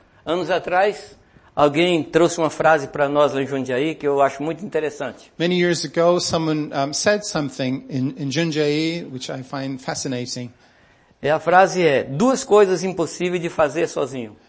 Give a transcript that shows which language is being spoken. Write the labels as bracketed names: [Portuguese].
[Portuguese] Anos atrás, alguém trouxe uma frase para nós lá em Jundiaí que eu acho muito interessante. [English] Many years ago, someone said something in Jundiaí, which I find fascinating. [Portuguese] E a frase é: duas coisas impossíveis de fazer sozinho.